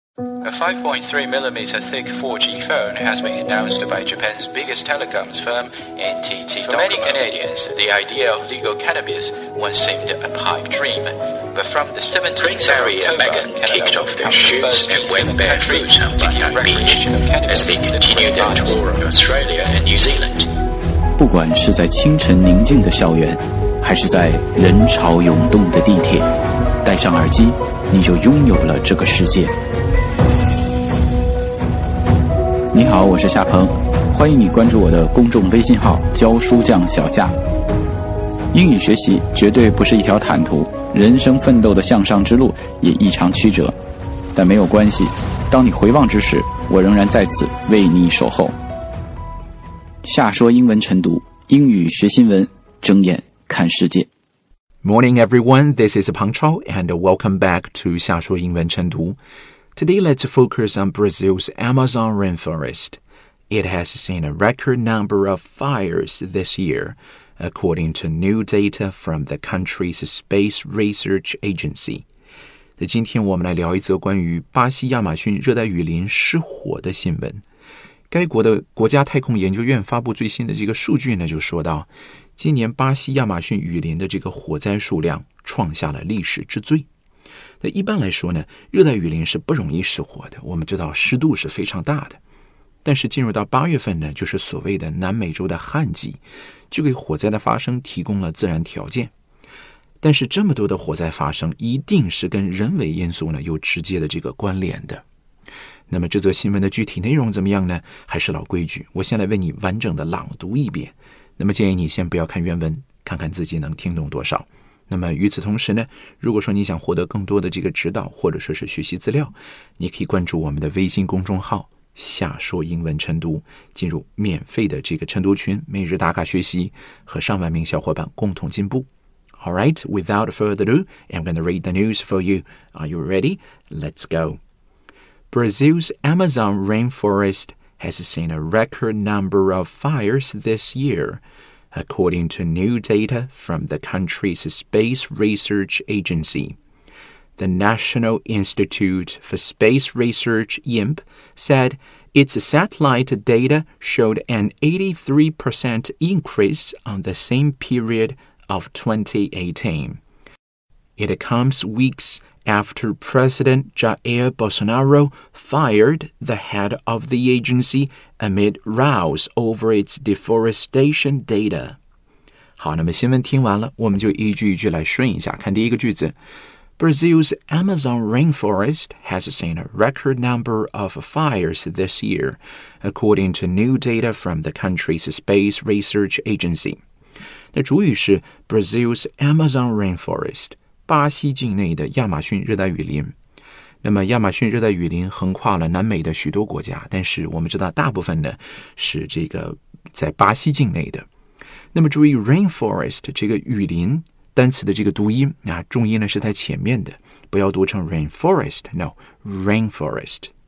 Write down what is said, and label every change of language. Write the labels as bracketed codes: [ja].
[en] A 5.3mm thick 4G phone has been announced by Japan's biggest telecoms firm, NTT Docomo. For many Canadians, the idea of legal cannabis once seemed a pipe dream. But from the 7th Prince Harry and Meghan kicked off their shoes and went barefoot on Bondi Beach as they continued their tour of Australia and New Zealand. [zh] 不管是在清晨宁静的校园，还是在人潮涌动的地铁，戴上耳机，你就拥有了这个世界。你好，我是夏鹏，欢迎你关注我的公众微信号教书匠小夏。英语学习绝对不是一条坦途，人生奋斗的向上之路也异常曲折，但没有关系，当你回望之时，我仍然在此为你守候。夏说英文晨读，英语学新闻，睁眼看世界。 [en] Morning everyone, this is Peng Chao and welcome back to 夏说英文晨读。 Today, let's focus on Brazil's Amazon rainforest. It has seen a record number of fires this year, according to new data from the country's Space Research Agency. [zh] 今天我们来聊一则关于巴西亚马逊热带雨林失火的新闻。该国的国家太空研究院发布最新的这个数据呢，就说到，今年巴西亚马逊雨林的这个火灾数量创下了历史之最。那一般来说呢，热带雨林是不容易失火的，我们知道湿度是非常大的，但是进入到八月份呢，就是所谓的南美洲的旱季，就给火灾的发生提供了自然条件。但是这么多的火灾发生一定是跟人为因素呢有直接的这个关联的。那么这则新闻的具体内容怎么样呢？还是老规矩，我先来为你完整的朗读一遍，那么建议你先不要看原文，看看自己能听懂多少。那么与此同时呢，如果说你想获得更多的这个指导或者说是学习资料，你可以关注我们的微信公众号夏说英文晨读，进入免费的这个晨读群，每日打卡学习，和上万名小伙伴共同进步。 [en] Alright, without further ado, I'm going to read the news for you. Are you ready? Let's go. Brazil's Amazon rainforest has seen a record number of fires this year. According to new data from the country's Space Research Agency, the National Institute for Space Research, IMP, said its satellite data showed an 83% increase on the same period of 2018. It comes weeks after President Jair Bolsonaro fired the head of the agency. Amid rows over its deforestation data. [zh] 好，那么新闻听完了，我们就一句一句来顺一下。看第一个句子 [en] ，Brazil's Amazon rainforest has seen a record number of fires this year, according to new data from the country's Space Research Agency. [zh] 那主语是 [en] Brazil's Amazon rainforest, [zh] 巴西境内的亚马逊热带雨林。那么亚马逊热带雨林横跨了南美的许多国家，但是我们知道大部分呢是这个在巴西境内的。那么注意 rainforest 这个雨林单词的这个读音啊，重音呢是在前面的，不要读成 rainforest, no, rainforest。